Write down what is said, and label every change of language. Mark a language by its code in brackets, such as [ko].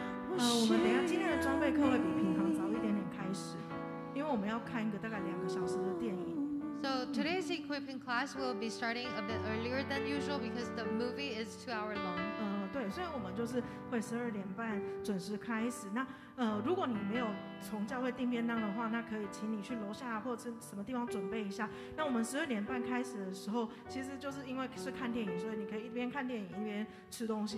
[zh] 我们等一下今天的装备课会比平常早一点点开始，因为我们要看一个大概两个小时的电影。 [en] So today's equipping class will be starting a bit earlier than usual because the movie is 2 hours long. [zh] 对，所以我们就是会十二点半准时开始。那如果你没有从教会订便当的话，那可以请你去楼下或者什么地方准备一下。那我们十二点半开始的时候，其实就是因为是看电影，所以你可以一边看电影一边吃东西。